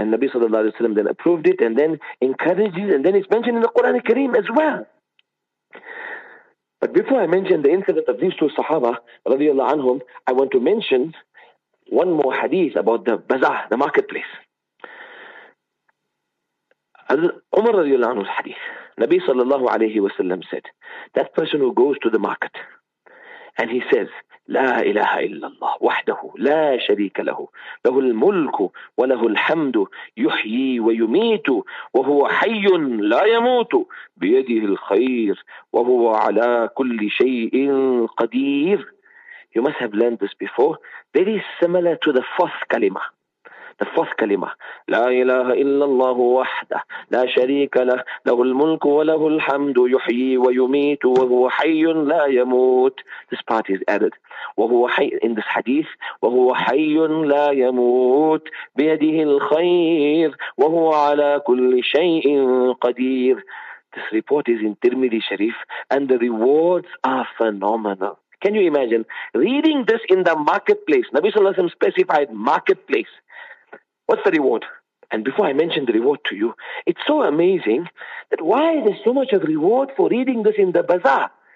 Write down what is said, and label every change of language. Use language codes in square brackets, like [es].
[en] And Nabi sallallahu alayhi wa sallam then approved it and then encourages, and then it's mentioned in the Quran Kareem as well. But before I mention the incident of these two Sahaba, radiallahu anhum, I want to mention one more hadith about the bazaar, the marketplace. Umar radiallahu anhu's hadith, Nabi sallallahu alayhi wa sallam said, that person who goes to the market and he says, [ar] لا إله إلا الله وحده لا شريك له له الملك وله الحمد يحيي ويميت وهو حي لا يموت بيده الخير وهو على كل شيء قدير. [en] You must have learned this before. Very similar to the fourth kalima. The fourth kalima. [ar] لا إله إلا الله وحده لا شريك له له الملك وله الحمد يحيي ويميت وهو حي لا يموت. [en] This part is added. [ar] وهو حي [en] in this hadith. [ar] وهو حي لا يموت بيده الخير وهو على كل شيء قدير. [en] This report is in Tirmidhi Sharif and the rewards are phenomenal. Can you imagine reading this in the marketplace? Nabi Sallallahu Alaihi Wasallam specified marketplace. What's the reward? And before I mention the reward to you, it's so amazing that why is there so much of reward for reading this in the bazaar?